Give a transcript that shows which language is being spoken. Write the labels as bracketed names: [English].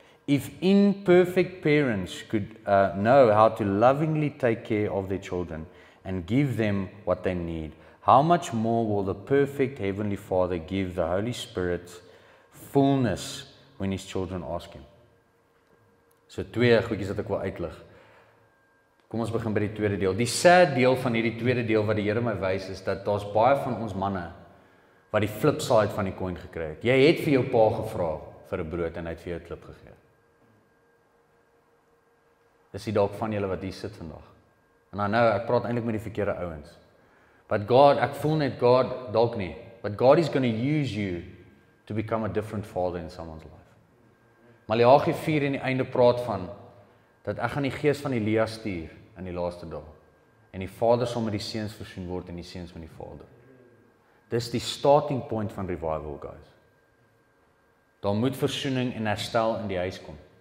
[English] If imperfect parents could know how to lovingly take care of their children and give them what they need, how much more will the perfect Heavenly Father give the Holy Spirit fullness when His children ask Him? [Afrikaans] So, twee goedjies dat ek wil uitlig. Kom ons begin by die tweede deel. Die sad deel van hierdie tweede deel wat die Here my wys is, dat daar's baie van ons manne wat die flip side van die coin gekry het. Jy het vir jou pa gevra vir 'n brood en hy het vir jou 'n klip gegee. Is die dalk van julle wat hier sit vandag? En [English] I know, [Afrikaans] ek praat eintlik met die verkeerde ouens. [English] But God, [Afrikaans] ek voel net God, dalk nie. [English] But God is going to use you to become a different father in someone's life. [Afrikaans] Malachi 4 in die einde praat van, dat ek gaan die geest van Elia stuur in die laaste dag. En die vader sal met die seuns versoen word en die seuns met die vader. Dis die starting point van revival, guys. Daar moet versoening en herstel in die huis kom.